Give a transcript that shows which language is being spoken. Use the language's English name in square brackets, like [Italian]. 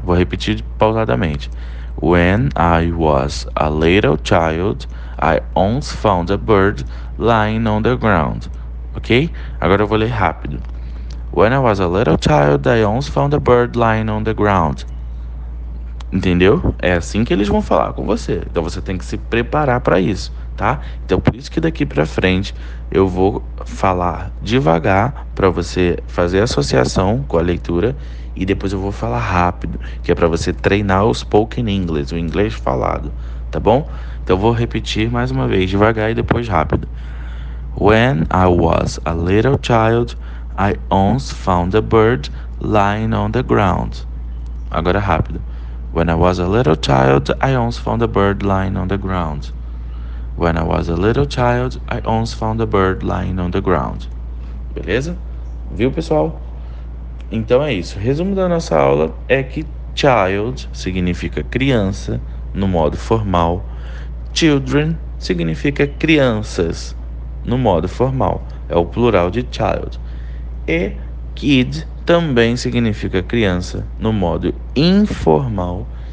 [Portuguese] Vou repetir pausadamente. [English] When I was a little child, I once found a bird lying on the ground. Ok? [Portuguese] Agora eu vou ler rápido. [English] When I was a little child, I once found a bird lying on the ground. [Portuguese] Entendeu? É assim que eles vão falar com você. Então você tem que se preparar para isso, tá? Então por isso que daqui para frente eu vou falar devagar para você fazer associação com a leitura e depois eu vou falar rápido, que é para você treinar o spoken English, o inglês falado, tá bom? Então eu vou repetir mais uma vez, devagar e depois rápido. [English] When I was a little child, I once found a bird lying on the ground. [Portuguese] Agora rápido. [English] When I was a little child, I once found a bird lying on the ground. When I was a little child, I once found a bird lying on the ground. [Portuguese] Beleza? Viu, pessoal? Então é isso. Resumo da nossa aula é que child significa criança no modo formal. Children significa crianças no modo formal. É o plural de child. E kid também significa criança no modo informal.